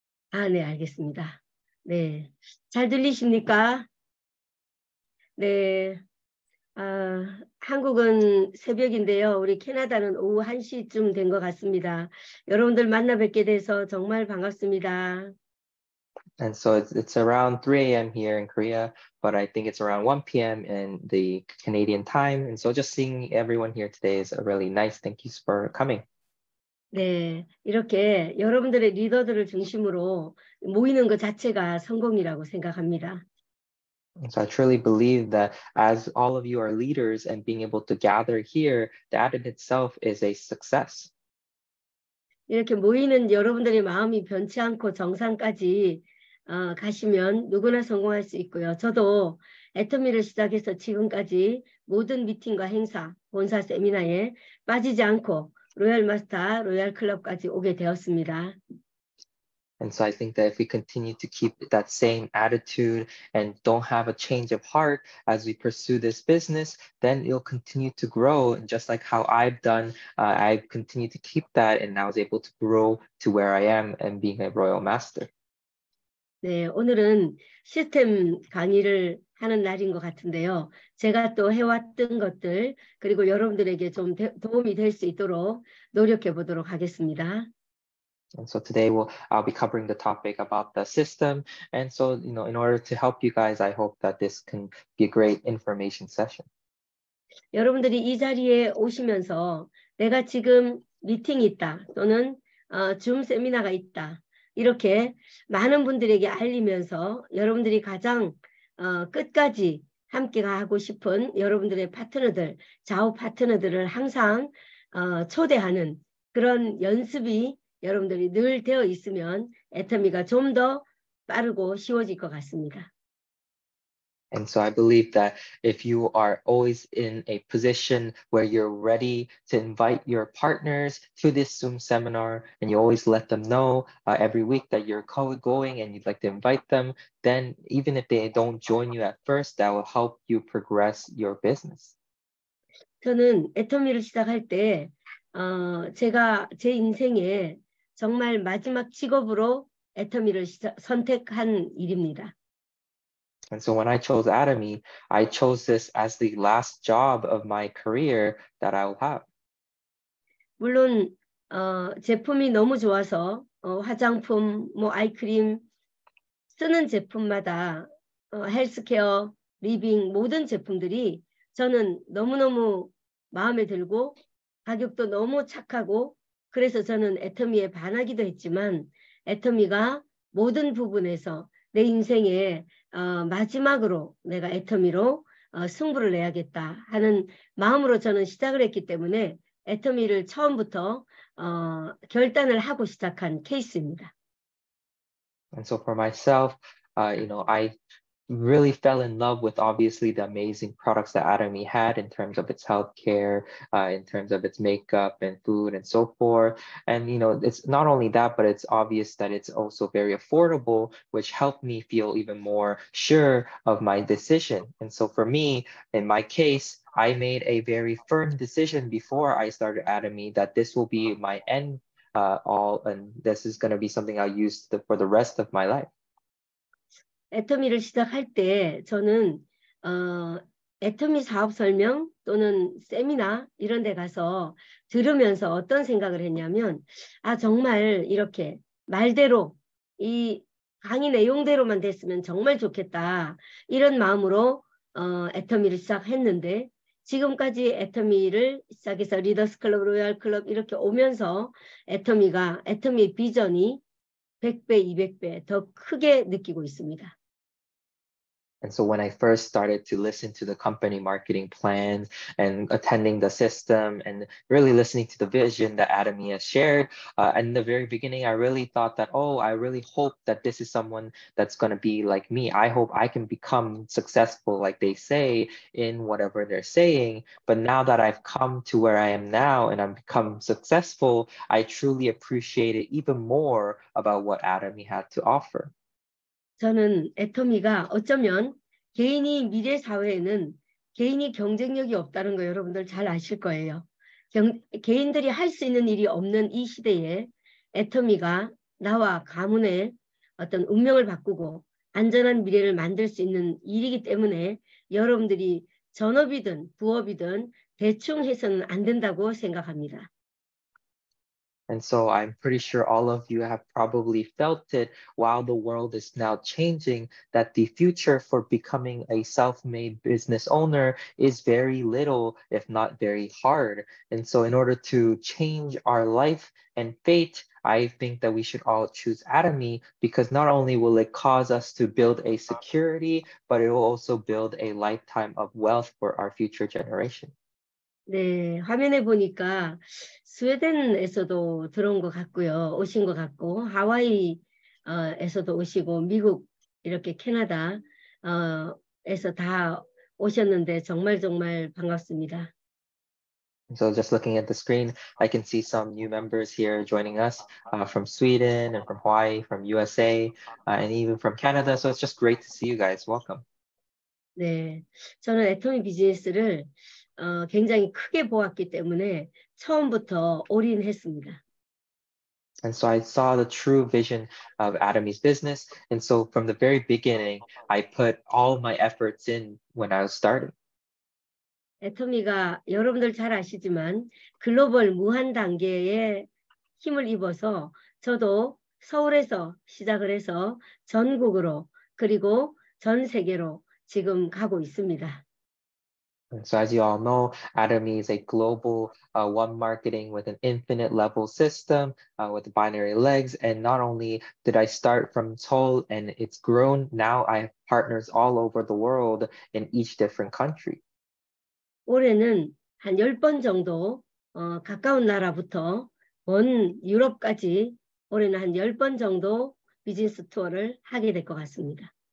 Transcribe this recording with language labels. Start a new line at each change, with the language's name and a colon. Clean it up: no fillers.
Korean: 아, 네, 알겠습니다. 네. 잘 들리십니까? 네, 한국은 새벽인데요. 우리 캐나다는 오후 1시쯤 된 것 같습니다. 여러분들 만나 뵙게 돼서 정말 반갑습니다.
English: And so it's around 3 a.m. here in Korea, but I think it's around 1 p.m. in the Canadian time. And so just seeing everyone here today is really nice. Thank you for coming.
Korean: 네, 이렇게 여러분들의 리더들을 중심으로 모이는 것 자체가 성공이라고 생각합니다.
English: So I truly believe that as all of you are leaders and being able to gather here, that in itself is a success.
Korean: 이렇게 모이는 여러분들의 마음이 변치 않고 정상까지 가시면 누구나 성공할 수 있고요. 저도 애터미를 시작해서 지금까지 모든 미팅과 행사, 본사 세미나에 빠지지 않고 로얄 마스터, 로얄 클럽까지 오게 되었습니다.
English: And so I think that if we continue to keep that same attitude and don't have a change of heart as we pursue this business, then it'll continue to grow. And just like how I've done, I've continued to keep that and now is able to grow to where I am and being a royal master.
Korean: 네, 오늘은 시스템 강의를 하는 날인 것 같은데요. 제가 또 해왔던 것들 그리고 여러분들에게 좀 도움이 될 수 있도록 노력해 보도록 하겠습니다.
English: And so today I'll be covering the topic about the system. And so, you know, in order to help you guys, I hope that this can be a great information session.
Korean: 여러분들이 이 자리에 오시면서 내가 지금 미팅 있다 또는 줌 세미나가 있다 이렇게 많은 분들에게 알리면서 여러분들이 가장 끝까지 함께 가고 싶은 여러분들의 파트너들, 좌우 파트너들을 항상 초대하는 그런 연습이 여러분들이 늘 되어 있으면 애터미가 좀 더 빠르고 쉬워질 것 같습니다.
English: And so I believe that if you are always in a position where you're ready to invite your partners to this Zoom seminar and you always let them know every week that you're going and you'd like to invite them, then even if they don't join you at first, that will help you progress your business.
Korean: 저는 애터미를 시작할 때 제가 제 인생에 정말 마지막 직업으로 애터미를 선택한 일입니다.
English: And so when I chose Atomy, I chose this as the last job of my career that I will have.
Korean: 물론 제품이 너무 좋아서 화장품, 뭐 아이크림 쓰는 제품마다 헬스케어, 리빙 모든 제품들이 저는 너무너무 마음에 들고 가격도 너무 착하고 그래서 저는 애터미에 반하기도 했지만 애터미가 모든 부분에서 내 인생에 마지막으로 내가 애터미로 승부를 내야겠다 하는 마음으로 저는 시작을 했기 때문에 애터미를 처음부터 결단을 하고 시작한 케이스입니다.
English: And so for myself, you know, I really fell in love with obviously the amazing products that Atomy had in terms of its healthcare, in terms of its makeup and food and so forth. And you know, it's not only that, but it's obvious that it's also very affordable, which helped me feel even more sure of my decision. And so for me, in my case, I made a very firm decision before I started Atomy that this will be my end all, and this is going to be something I'll use for the rest of my life.
Korean: 애터미를 시작할 때 저는 애터미 사업 설명 또는 세미나 이런 데 가서 들으면서 어떤 생각을 했냐면 아 정말 이렇게 말대로 이 강의 내용대로만 됐으면 정말 좋겠다 이런 마음으로 애터미를 시작했는데 지금까지 애터미를 시작해서 리더스 클럽, 로얄 클럽 이렇게 오면서 애터미 비전이 100배, 200배 더 크게 느끼고 있습니다.
English: And so when I first started to listen to the company marketing plans and attending the system and really listening to the vision that Atomy has shared, in the very beginning, I really thought that, oh, I really hope that this is someone that's going to be like me. I hope I can become successful, like they say, in whatever they're saying. But now that I've come to where I am now and I've become successful, I truly appreciate it even more about what Atomy had to offer.
Korean: 저는 애터미가 어쩌면 개인이 미래 사회에는 개인이 경쟁력이 없다는 거 여러분들 잘 아실 거예요. 개인들이 할 수 있는 일이 없는 이 시대에 애터미가 나와 가문의 어떤 운명을 바꾸고 안전한 미래를 만들 수 있는 일이기 때문에 여러분들이 전업이든 부업이든 대충 해서는 안 된다고 생각합니다.
English: And so I'm pretty sure all of you have probably felt it while the world is now changing that the future for becoming a self-made business owner is very little, if not very hard. And so in order to change our life and fate, I think that we should all choose Atomy because not only will it cause us to build a security, but it will also build a lifetime of wealth for our future generation.
Korean: 네, 화면에 보니까 스웨덴에서도 들어온 것 같고요. 오신 것 같고 하와이에서도 오시고 미국 이렇게 캐나다에서 다 오셨는데 정말 정말 반갑습니다.
English: So just looking at the screen, I can see some new members here joining us from Sweden and from Hawaii, from USA, and even from Canada. So it's just great to see you guys. Welcome.
Korean: 네, 저는 애터미 비즈니스를 굉장히 크게 보았기 때문에 처음부터 올인했습니다.
English: And so I saw the true vision of Atomy's business. And so from the very beginning, I put all my efforts in when I was starting.
Korean: Atomy가 여러분들 잘 아시지만 글로벌 무한 단계에 힘을 입어서 저도 서울에서 시작을 해서 전국으로 그리고 전 세계로 지금 가고 있습니다.
English: And so as you all know, Atomy is a global one marketing with an infinite level system with binary legs. And not only did I start from Seoul and it's grown, now I have partners all over the world in each different country.
Korean: 올해는 한 10번 정도 가까운 나라부터 온 유럽까지 올해는 한 10번 정도 비즈니스 투어를 하게 될 것 같습니다.